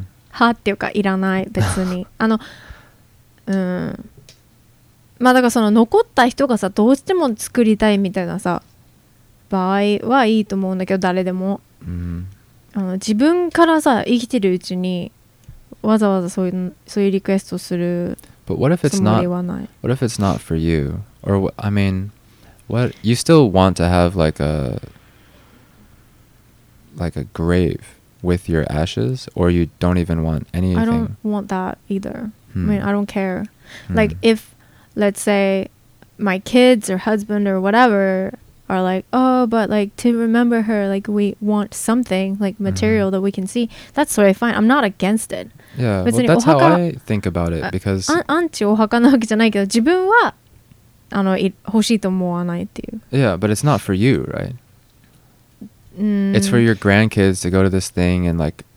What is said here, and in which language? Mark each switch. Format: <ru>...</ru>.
<ja>はっていうかいらない別にあのうんまあだからその残った人がさどうしても作りたいみたいなさ場合はいいと思うんだけど誰でも、 mm-hmm. あの自分からさ生きてるうちにわざわざそういうリクエストするつもりはない。</ja> <en>But what if it's not for you? Or I mean, what you still want to have like a grave with your ashes, or you don't even want anything? I don't want that either. Hmm. I mean, I don't care. Hmm. Like, if, let's say, my kids or husband or whatever are like, oh, but like, to remember her, like, we want something, like, material mm-hmm. that we can see, that's totally fine. I'm not against it. Yeah, well, that's how I think about it, because...</en> <ja>アンチお墓なわけじゃないけど、自分は、あの、欲しいと思わないっていう。</ja> <en>Yeah, but it's not for you, right? It's for your grandkids to go to this thing and like.</en>